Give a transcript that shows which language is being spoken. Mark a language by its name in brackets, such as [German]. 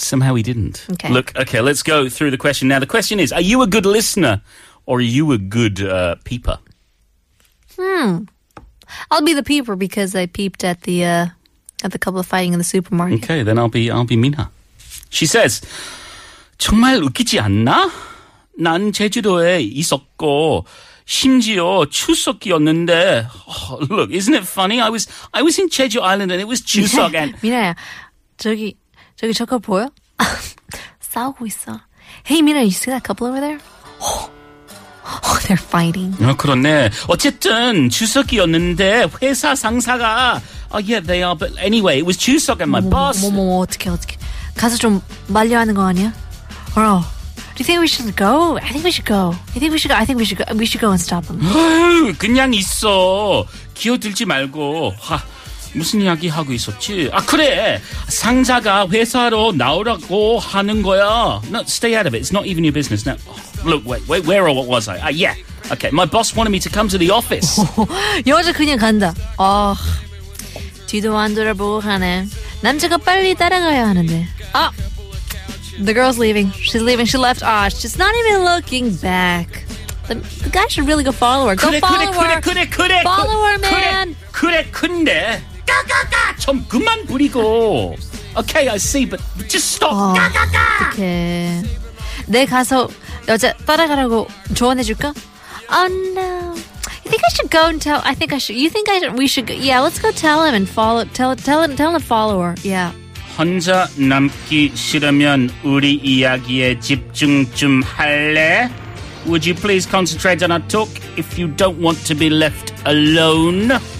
[English] Somehow we didn't. Okay. Okay, let's go through the question. Now, the question is, are you a good listener or are you a good peeper? I'll be the peeper because I peeped at the couple fighting in the supermarket. Okay, then I'll be Mina. She says, [Korean] 정말 웃기지 않나? 난 제주도에 있었고 심지어 추석이었는데. [English] Oh, look, isn't it funny? I was in Jeju Island and it was 추석 and [Korean] Mina야, 저기 저거 보여? 싸우고 있어. [English] Hey Mina, you see that couple over there? Oh, they're fighting. [Korean] 그렇네. 어쨌든 추석이었는데 회사 상사가. [English] Oh, yeah, they are. But anyway, it was 추석 and my boss. [Korean] 뭐, 어떻게. 가서 좀 말려하는 거 아니야? [English] Bro, do you think we should go? I think we should go. I think we should go and stop them. [Korean] 그냥 있어. 기어들지 말고. 무슨 이야기 하고 있었지? 아, 그래. 상사가 회사로 나오라고 하는 거야. [English] No, stay out of it. It's not even your business now. Look, wait, where or what was I? Okay, my boss wanted me to come to the office. [Korean] 여자 그냥 간다. 뒤도 안 돌아보고 가네. 남자가 빨리 따라가야 하는데. [English] The girl's leaving. She's leaving. She left. She's not even looking back. The guy should really go follow her. Go follow her. Follow her, man. [Korean] 그래, 근데. 까까까! 좀 그만 부리고. [English] Okay, I see, but just stop. 까까까! [Korean] 어떡해. 내 가서... 여자 따라가라고 조언해줄까? [English] Oh no! You think I should go and tell? I think I should. You think I should? We should. Go, yeah, let's go tell him and follow. Tell him to follow her. Yeah. [Korean] 혼자 남기 싫으면 우리 이야기에 집중 좀 할래? [English] Would you please concentrate on our talk if you don't want to be left alone?